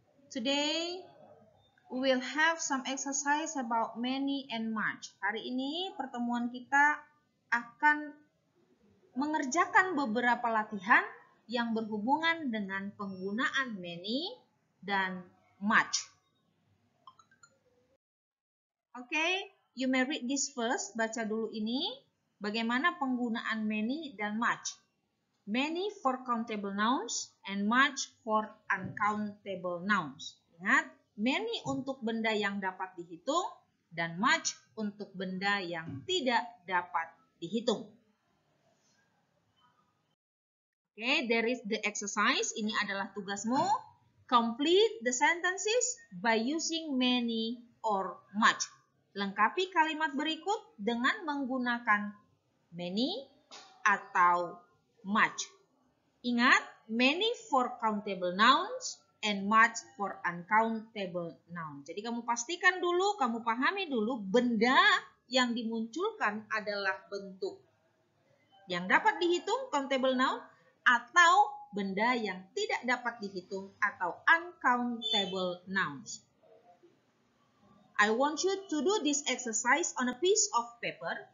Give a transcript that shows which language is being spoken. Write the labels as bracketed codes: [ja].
[en] Today, we will have some exercise about many and much. [id] Hari ini, pertemuan kita akan mengerjakan beberapa latihan yang berhubungan dengan penggunaan many dan much. [en] Okay, you may read this first, [id] baca dulu ini. Bagaimana penggunaan many dan much? [en] Many for countable nouns and much for uncountable nouns. [id] Ingat, many untuk benda yang dapat dihitung dan much untuk benda yang tidak dapat dihitung. [en] Okay, there is the exercise. [id] Ini adalah tugasmu. [en] Complete the sentences by using many or much. [id] Lengkapi kalimat berikut dengan menggunakan many atau much. Ingat, [en] many for countable nouns and much for uncountable nouns. [id] Jadi kamu pastikan dulu, kamu pahami dulu benda yang dimunculkan adalah bentuk yang dapat dihitung countable noun atau benda yang tidak dapat dihitung atau uncountable nouns. [en] I want you to do this exercise on a piece of paper.